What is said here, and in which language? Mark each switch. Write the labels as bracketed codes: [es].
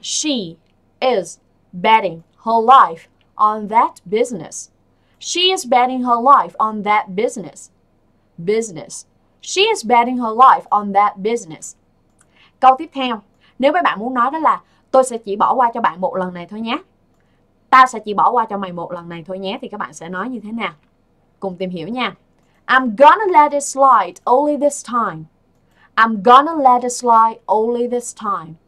[en] She is betting her life on that business. She is betting her life on that business. Business. She is betting her life on that business. [vi] Câu tiếp theo. Nếu mấy bạn muốn nói đó là tôi sẽ chỉ bỏ qua cho bạn một lần này thôi nhé. Ta sẽ chỉ bỏ qua cho mày một lần này thôi nhé. Thì các bạn sẽ nói như thế nào? Cùng tìm hiểu nha. [en] I'm gonna let it slide only this time. I'm gonna let it slide only this time.